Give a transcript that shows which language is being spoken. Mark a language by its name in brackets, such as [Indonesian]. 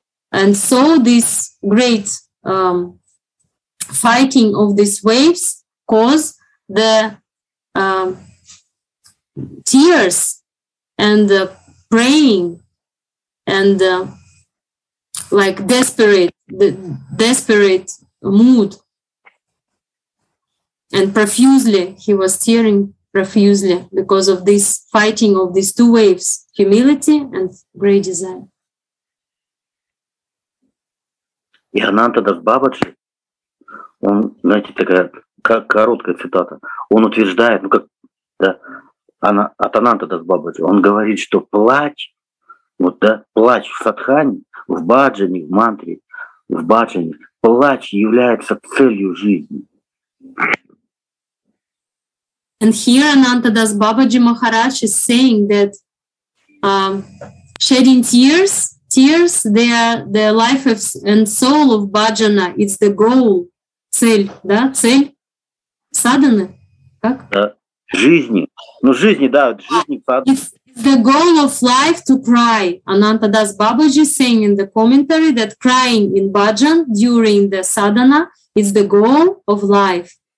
[English] And so this great fighting of these waves cause the tears and the praying and like desperate mood. And profusely, he was tearing profusely because of this fighting of these two waves, humility and great desire. [Russian] И Ананта Дас Бабаджи, он, знаете, такая как короткая цитата, он утверждает, ну как, да, она, от Ананта Дас Бабаджи, он говорит, что плач, вот, да, плач в садхане, в баджане, в мантре, в баджане, плач является целью жизни. [English] And here Anantadas Babaji Maharaj is saying that shedding tears, they are the life of, and soul of bhajana, it's the goal, [Russian] цель, да, цель садханы, как? Да, жизни, ну жизни, да, жизни садханы. [English] It's the goal of life to cry, Anantadas Babaji saying in the commentary that crying in bhajan during the sadhana is the goal of life.